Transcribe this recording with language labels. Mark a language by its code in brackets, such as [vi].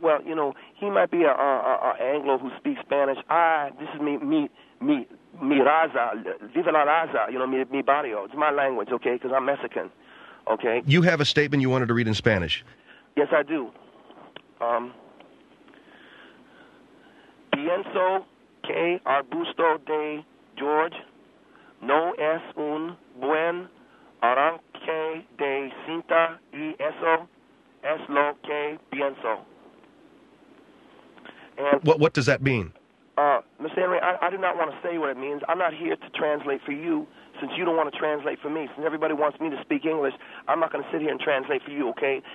[en] well, you know, he might be a Anglo who speaks Spanish. This is me. [es] Mi raza, viva la raza, [en] you know, [es] mi barrio. [en] It's my language, okay, because I'm Mexican, okay? You have a statement you wanted to read in Spanish. Yes, I do. [es] Pienso que Arbusto de George no es un buen arranque de cinta y eso es lo que pienso. [en] And what does that mean? Mr. Henry, I do not want to say what it means. I'm not here to translate for you, since you don't want to translate for me. Since everybody wants me to speak English, I'm not going to sit here and translate for you, okay?